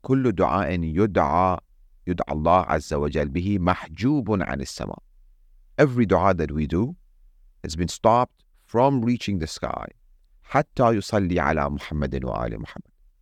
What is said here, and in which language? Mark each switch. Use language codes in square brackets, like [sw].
[ar] كل دعاء يدعى يدعى الله عز وجل به محجوب عن السماء. [en] Every dua that we do has been stopped from reaching the sky. [ar] حتى يصلي على محمد وآل محمد.